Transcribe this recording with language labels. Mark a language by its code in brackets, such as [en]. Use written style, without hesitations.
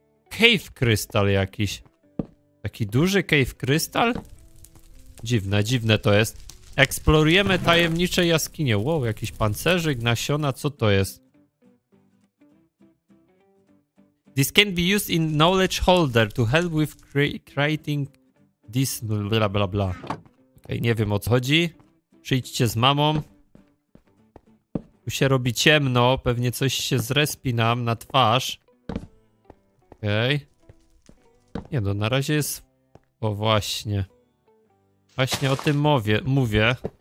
[pl] Cave crystal jakiś. Taki duży cave crystal? Dziwne to jest. Eksplorujemy tajemnicze jaskinie. Wow, jakiś pancerzyk, nasiona. Co to jest? [en] This can be used in knowledge holder to help with creating this bla bla bla. [pl] Okej, nie wiem, o co chodzi. Przyjdźcie z mamą. Tu się robi ciemno. Pewnie coś się zrespinam na twarz. Okej. Okay. Nie no, na razie jest... O, właśnie. Właśnie o tym mówię.